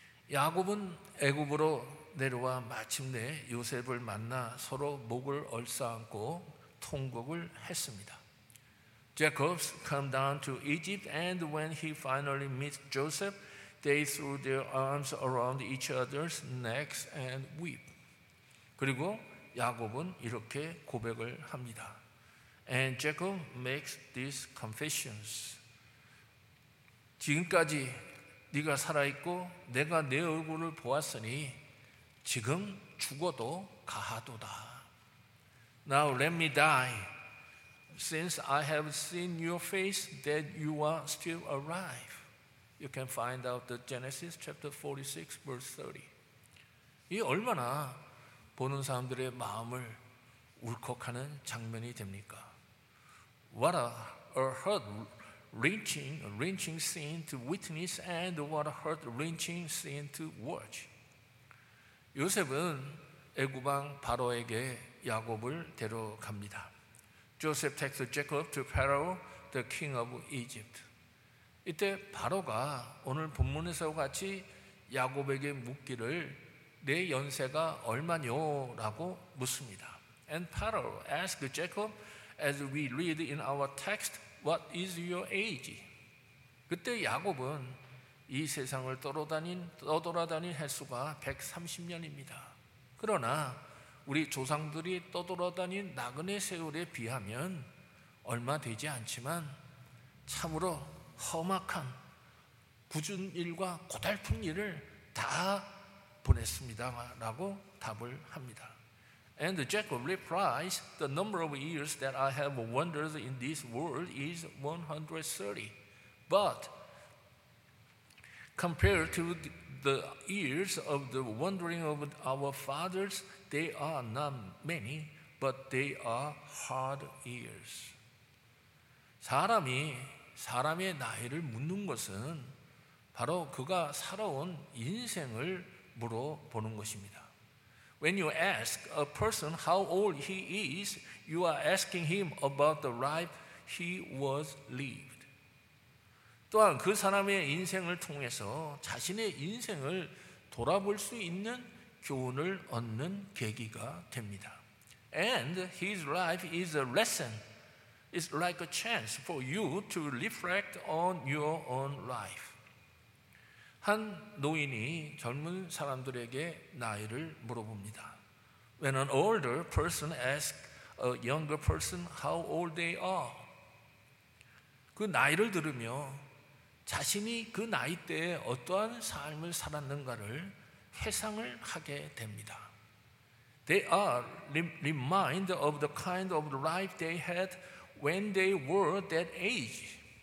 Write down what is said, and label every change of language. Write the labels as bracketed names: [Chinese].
[Korean] 야곱은 애굽으로 내려와 마침내 요셉을 만나 서로 목을 얼싸안고 통곡을 했습니다. [English] Jacob came down to Egypt, and when he finally meets Joseph, they threw their arms around each other's necks and wept. [Korean] 그리고 야곱은 이렇게 고백을 합니다. [English] And Jacob makes these confessions. [Korean] 지금까지 네가 살아있고 내가 네 얼굴을 보았으니 지금 죽어도 가하도다. [English] Now let me die. Since I have seen your face, that you are still alive. You can find out the Genesis chapter 46, verse 30. [Korean] 이 얼마나 보는 사람들의 마음을 울컥하는 장면이 됩니까? [English] What a heart-wrenching scene to witness, and what a heart-wrenching scene to watch. [Korean] 요셉은 애굽 왕 바로에게 야곱을 데려갑니다. [English] Joseph takes Jacob to Pharaoh, the king of Egypt. [Korean] 이때 바로가 오늘 본문에서 같이 야곱에게 묻기를 내 연세가 얼마냐고 묻습니다. [English] And Pharaoh asked Jacob, as we read in our text, what is your age? [Korean] 그때 야곱은 이 세상을 떠돌아다닌 횟수가 130년입니다. 그러나 우리 조상들이 떠돌아다닌 나그네 세월에 비하면 얼마 되지 않지만 참으로 험악한 굳은 일과 고달픈 일을 다 보냈습니다 라고 답을 합니다. [English] And Jacob replies, The number of years that I have wandered in this world is 130. But compared to the years of the wandering of our fathers, They are not many, but they are hard years. [Korean] 사람의 나이를 묻는 것은 바로 그가 살아온 인생을 물어보는 것입니다. [English] When you ask a person how old he is, you are asking him about the life he was lived. [Korean] 또한 그 사람의 인생을 통해서 자신의 인생을 돌아볼 수 있는 교훈을 얻는 계기가 됩니다. [English] And his life is a lesson. It's like a chance for you to reflect on your own life. [Korean] 한 노인이 젊은 사람들에게 나이를 물어봅니다. [English] When an older person asks a younger person how old they are. [Korean] 그 나이를 들으며 자신이 그 나이대에 어떠한 삶을 살았는가를 회상을 하게 됩니다. [English] They are reminded of the kind of life they had when they were that age.